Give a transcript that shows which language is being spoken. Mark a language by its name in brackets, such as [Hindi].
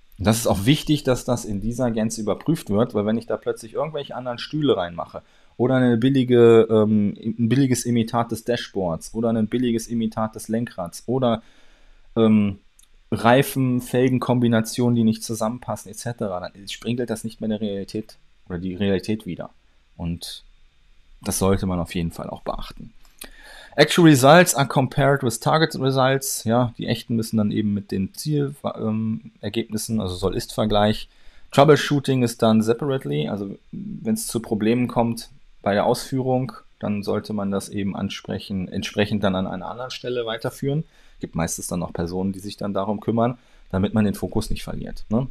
[German] Und das ist auch wichtig, dass das in dieser Gänze überprüft wird, weil wenn ich da plötzlich irgendwelche anderen Stühle reinmache, oder ein billiges Imitat des Dashboards oder ein billiges Imitat des Lenkrads oder Reifen, Felgenkombinationen, die nicht zusammenpassen, etc., dann springt das nicht mehr der Realität oder die Realität wieder. Und das sollte man auf jeden Fall auch beachten. [English] Actual Results are compared with Target Results. [German] Ja, die echten müssen dann eben mit den Zielergebnissen, also Soll-Ist-Vergleich. Troubleshooting ist dann [English] separately, [German] also wenn es zu Problemen kommt bei der Ausführung, dann sollte man das eben ansprechen, entsprechend dann an einer anderen Stelle weiterführen. Gibt meistens dann noch Personen, die sich dann darum kümmern, damit man den Fokus nicht verliert. Ne?